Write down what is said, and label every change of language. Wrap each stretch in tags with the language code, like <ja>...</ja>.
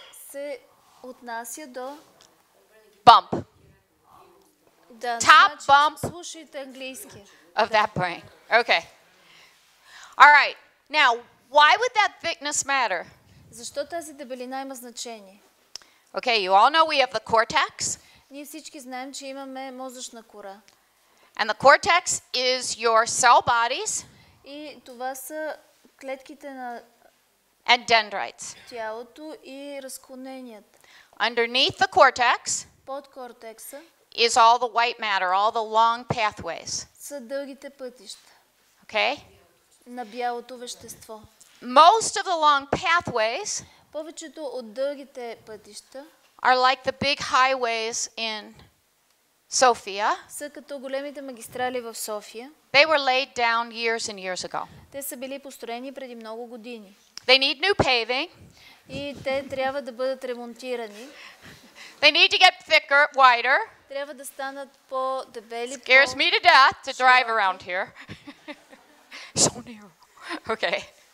<bg>се отнася до</bg> <en>bump.</en> <bg>Да,</bg> <en>top</en> <bg>значи,</bg> <en>bump.</en> <bg>Слушайте английски.</bg> <en>Of that brain. Okay. All right. Now, why would that thickness matter?</en> <bg>Защо тази дебелина има значение?</bg> <en>Okay, you all know we have the cortex.</en> <bg>Ние всички знаем, че имаме мозъчна кора.</bg> <en>And the cortex is your cell bodies.</en> <bg>И това са клетките на</bg> <en>and dendrites.</en> <bg>Тялото и разклоненията.</bg> <en>Underneath the cortex,</en> <bg>под кортекса</bg> <en>is all the white matter, all the long pathways.</en> <bg>Са дългите пътища.</bg> <en>Okay?</en> <bg>На бялото вещество.</bg> <en>Most of the long pathways,</en> <bg>повечето от дългите пътища,</bg> <en>are like the big highways in Sofia.</en> <bg>Са като големите магистрали в София.</bg> <en>They were laid down years and years ago.</en> <bg>Те са били построени преди много години.</bg> <en>They need new paving.</en> <bg>И те трябва да бъдат ремонтирани.</bg> <en>They need to get thicker, wider.</en> <bg>Трябва да станат по-дебели.</bg> <en>Scares me to death to drive around here. So near. Okay.</en>